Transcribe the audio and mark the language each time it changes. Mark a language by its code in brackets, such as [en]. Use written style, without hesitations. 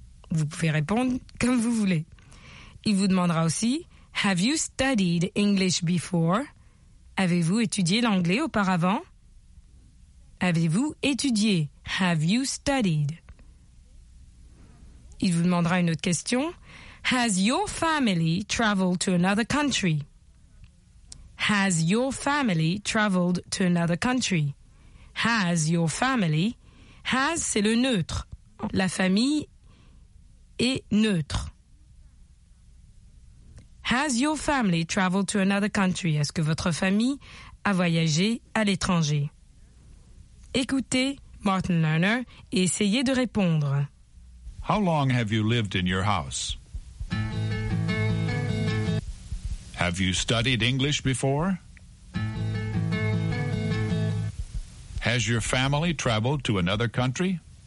[fr] Vous pouvez répondre comme vous voulez. Il vous demandera aussi « [en] Have you studied English before ?» [fr] Avez-vous étudié l'anglais auparavant ? Avez-vous étudié ?« [en] Have you studied ?» [fr] Il vous demandera une autre question. [en] Has your family traveled to another country? Has your family traveled to another country? Has your family? Has, [fr] c'est le neutre. La famille est neutre. [en] Has your family traveled to another country? [fr] Est-ce que votre famille a voyagé à l'étranger? Écoutez Martin Lerner et essayez de répondre. [en] How long have you lived in your house? Have you studied English before? Has your family traveled to another country?